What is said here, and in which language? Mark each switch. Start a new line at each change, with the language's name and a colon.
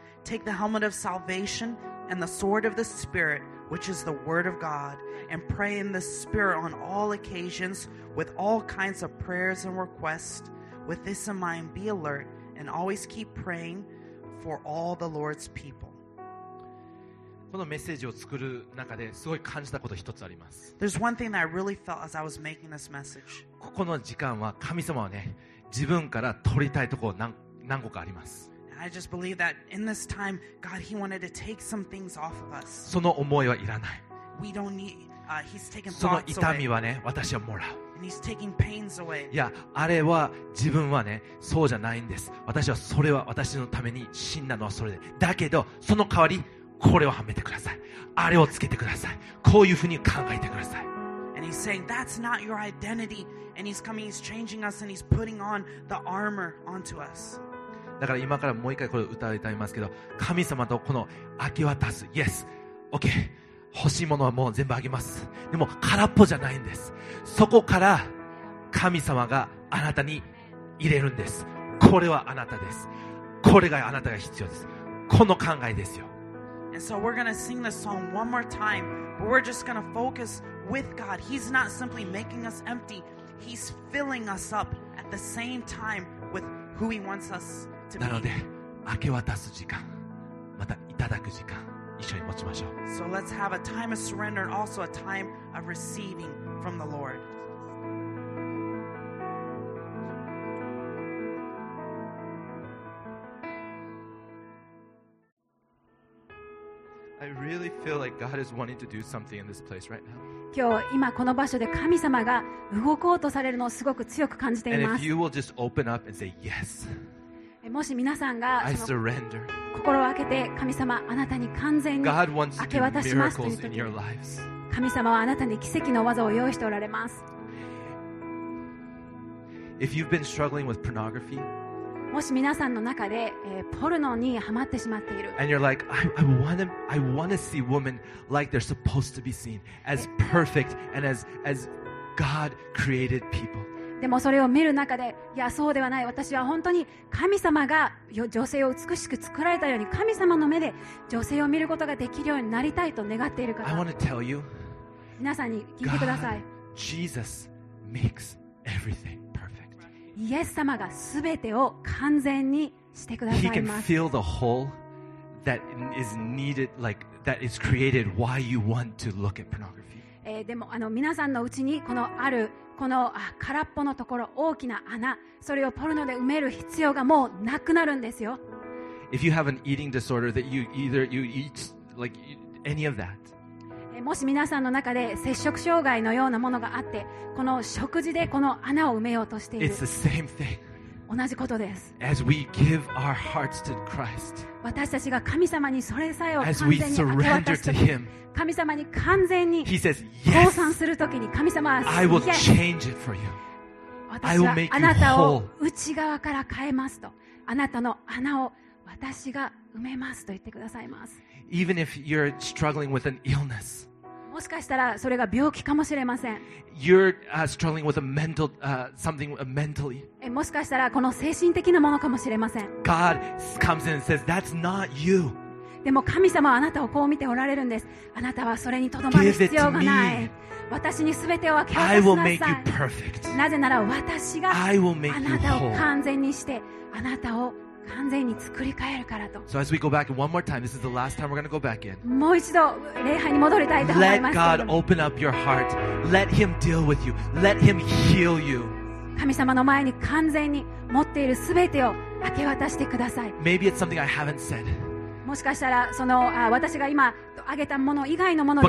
English: Take the helmet of salvation and the sword of the Spirit, which is the word of God, and pray in the Spirit on all occasions with all kinds of prayers and requests. With this in mind, be alert and always keep praying for all the Lord's people.
Japanese: このメッセージを作る中ですごい感じたこと一つあります。
English: There's one thing that I really felt as I was making this message.
Japanese: ここの時間は神様はね、自分から取りたいところ何個かあります。
English: I just believe that in this time, God, He wanted to take some things off of us.
Japanese: その思いはいらない。
English: We don't need, He's taken thoughts away.
Japanese: その痛みはね、私はもらう。
English: He's taking pains away.
Japanese: いや、あれは自分はね、そうじゃないんです。私はそれは私のために死んだのはそれで。だけど、その代わり、これをはめてください。あれをつけてください。こういうふうに考えてください。
English: And he's saying, that's not your identity. And he's coming, he's changing us, and he's putting on the armor onto us.
Japanese: だから今からもう一回これを歌いますけど、神様とこの明け渡す、
English: Yes, OK.
Japanese: 欲しいものはもう全部あげます。でも空っぽじゃないんです。そこから神様があなたに入れるんです。これはあなたです。これがあなたが必要です。この考えですよ。
English: And so we're gonna sing this song one more time, but we're just gonna focus with God. He's not simply making us empty, He's filling us up at the same time with who He wants us to be.
Japanese: なので明け渡す時間、またいただく時間、一緒に持ちましょう。
English: So let's have a time of surrender and also a time of receiving from the Lord. I really feel like God is wanting to do something in this place right now.
Japanese: 今日今この場所で神様が動こうとされるのをすごく強く感じています。
English: And if you will just open up and say yes.
Japanese: もし皆さんが
English: I surrender.
Japanese: 心を開けて神様あなたに完全に明け渡しますという時に、神様はあなたに奇跡の技を用意しておられます。
English: If you've been struggling with pornography,
Japanese: もし皆さんの中で、ポルノにハマってしまっている、
English: And you're like, I want to see women like they're supposed to be seen, as perfect and as God created people.
Japanese: でもそれを見る中で、いやそうではない、私は本当に神様が女性を美しく作られたように、神様の目で女性を見ることができるようになりたいと願っている方、
English: I want to tell you,
Japanese: 皆さんに聞いてください。
English: God, Jesus makes everything perfect.
Japanese: イエス様が全てを完全にしてくださいます。
English: He can fill the hole that is needed, like that is created why you want to look at pornography.
Japanese: でもあの皆さんのうちにこのあるこの空っぽのところ、大きな穴、それをポルノで埋める必要がもうなくなるんですよ。
English: If you have an eating disorder that you either you eat like any of that,
Japanese: もし皆さんの中で摂食障害のようなものがあって、この食事でこの穴を埋めようとしている。
English: It's the same thing.
Japanese: 同じことです。
English: As we give our hearts to Christ.
Japanese: 私たちが神様にそれさえを完全に明け渡すとき、神様に完全に降参するときに、神様は、
English: I will change it for you.
Japanese: 私はあなたを内側から変えますと、あなたの穴を私が埋めますと言ってくださいます。
English: Even if you're struggling with an illness,
Japanese: もしかしたらそれが病気かもしれません。
English: You're struggling with a mental, something mentally,
Japanese: もしかしたらこの精神的なものかもしれません。
English: God comes in and says, that's not you.
Japanese: でも神様はあなたをこう見ておられるんです。あなたはそれにとどまる必要がない。私に全てを明け渡しなさい。
English: I will make you perfect.
Japanese: なぜなら私があなたを完全にして、あなたを完全に作り変えるからと。
English: So as we go back one more time, this is the last time we're going to go back in.
Japanese: もう一度礼拝に戻りたいと思いますけど。
English: Let God open up your heart. Let Him deal with you. Let Him heal you.
Japanese: 神様の前に完全に持っている全てを明け渡してください。
English: Maybe it's something I haven't said.
Japanese: もしかしたらその私が今挙げたもの以外のもので、